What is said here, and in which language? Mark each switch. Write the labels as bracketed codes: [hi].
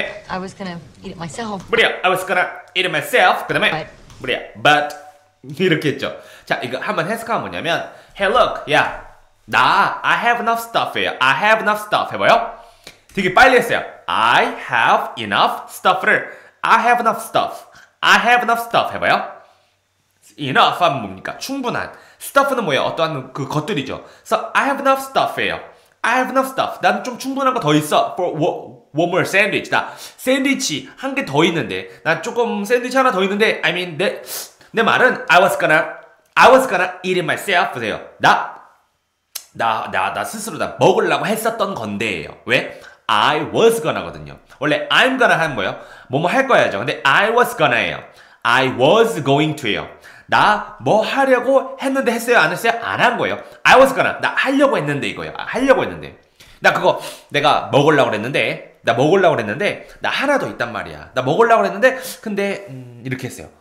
[en] I was gonna eat it myself. [ko] 그래요, [en] I was gonna eat it myself. [ko] 그 다음에 그래요, but 이렇게 했죠. 자, 이거 한번 해석하면 뭐냐면 [en] Hey, look, [ko] 야 나, [en] I have enough stuff [ko] 해요. [en] I have enough stuff [ko] 해봐요. 되게 빨리 했어요. [en] I have enough stuff를 I have enough stuff. I have enough stuff [ko] 해봐요. Enough 하면 뭡니까? 충분한. Stuff는 뭐예요? 어떠한 그 것들이죠. [en] So, I have enough stuff 해요. I have enough stuff. [ko] 나는 좀 충분한 거 더 있어. [en] For one more sandwich. [ko] 나 샌드위치 한 개 더 있는데. 나 조금 샌드위치 하나 더 있는데. [en] I mean, [ko] 내 말은 [en] I was gonna eat it myself [ko] 보세요. 나 스스로 다 먹으려고 했었던 건데예요. 왜? [en] I was gonna거든요. [ko] 원래 [en] I'm gonna [ko] 하는 뭐예요? 뭐뭐 할 거야죠. 근데 [en] I was gonna예요. I was going to예요. [ko] 나 뭐 하려고 했는데 했어요? 안 했어요? 안 한 거예요. [en] I was gonna. [ko] 나 하려고 했는데 이거예요. 하려고 했는데. 나 그거 내가 먹으려고 그랬는데 나 하나 더 있단 말이야. 나 먹으려고 그랬는데 근데 이렇게 했어요.